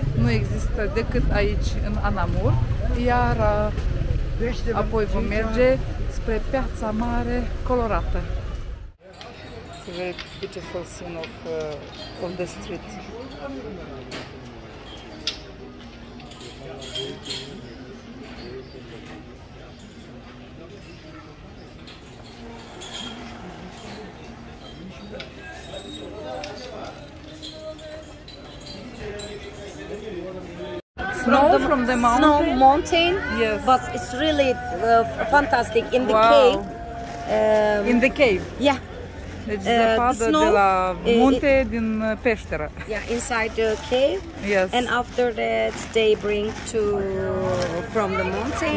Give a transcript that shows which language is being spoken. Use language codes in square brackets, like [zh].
[ro] Nu există decât aici, în Anamur. Iar apoi vom merge spre Piața Mare Colorată. [en] It's a very beautiful scene of the street. Snow from the mountain. Snow mountain. Yes. But it's really fantastic in the cave. In the cave. Yeah. [ro] Deci zăpadă de la munte din peșteră. [en] Yeah, inside the cave. Yes. And after that they bring to from the mountain.